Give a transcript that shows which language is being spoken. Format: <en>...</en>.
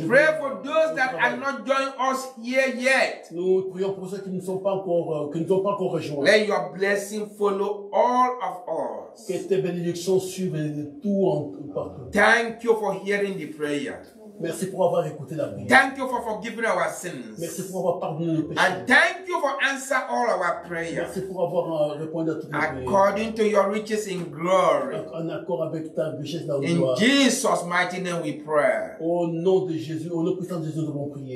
<en>We pray for those that are not joining us here yet.</en> <fr>Nous prions pour ceux qui ne sont pas encore rejoints.</fr> <en>Let your blessing follow all of us.</en> <fr>Que tes bénédictions suivent tout en partout.</fr> <en>Thank you for hearing the prayer.</en> <fr>Merci pour avoir écouté la prière.</fr> <en>Thank you for forgiving our sins.</en> <fr>Merci pour avoir pardonné nos péchés.</fr> <en>And thank you for answering all our prayers.</en> <fr>Merci pour avoir répondu à toutes nos prières.</fr> <en>According to your riches in glory.</en> <fr>En accord avec ta richesse dans la</fr> <en>gloire. In Jesus' mighty name we pray.</en> <fr>Au nom de Jésus, au nom puissant de Jésus, nous avons prié.</fr>